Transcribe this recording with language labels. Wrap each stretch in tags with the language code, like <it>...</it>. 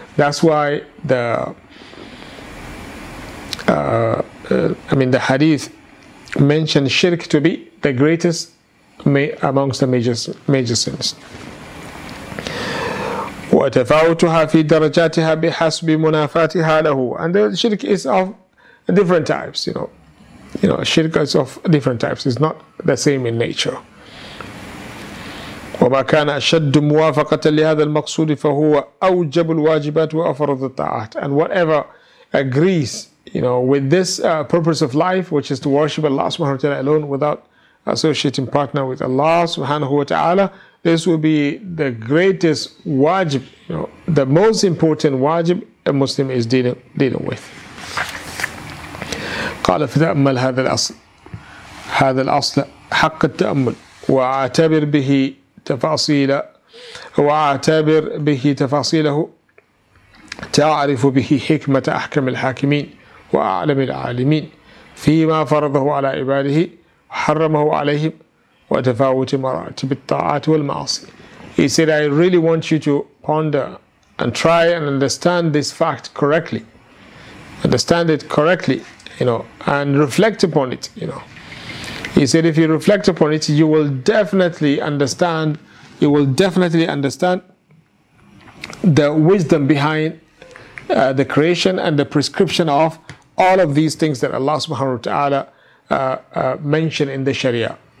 <en>That's why the hadith mentioned shirk to be the greatest amongst the major sins.</en> <ar>وَتَفَاوْتُهَا فِي دَرَجَاتِهَا بِحَسْبِ مُنَافَاتِهَا لَهُ.</ar> <en>And the shirk is of different types, you know. You know, shirk is of different types. It's not the same in nature.</en> <ar>وما كان أشد موافقة لهذا المقصود فهو أوجب الواجبات وأفرض الطاعات.</ar> <en>And whatever agrees, you know, with this purpose of life, which is to worship Allah Subhanahu wa Taala alone without associating partner with Allah Subhanahu wa Taala, this will be the greatest wajib, you know, the most important wajib a Muslim is dealing with.</en> <ar>قال فتأمل هذا الأصل هذا الأصل حق التأمل واعتبر به تفاصيل واعتبر به تفاصيله تعرف به حكمة أحكم الحاكمين وأعلم العالمين فيما فرضه على عباده وحرمه عليهم وتفاوت مراتب الطاعات والمعاصي.</ar> <en>He said, I really want you to ponder and try and understand this fact correctly. Understand it correctly, you know, and reflect upon it, you know. He said, if you reflect upon it, you will definitely understand, you will definitely understand the wisdom behind the creation and the prescription of all of these things that Allah subhanahu wa ta'ala mentioned in the Sharia.</en>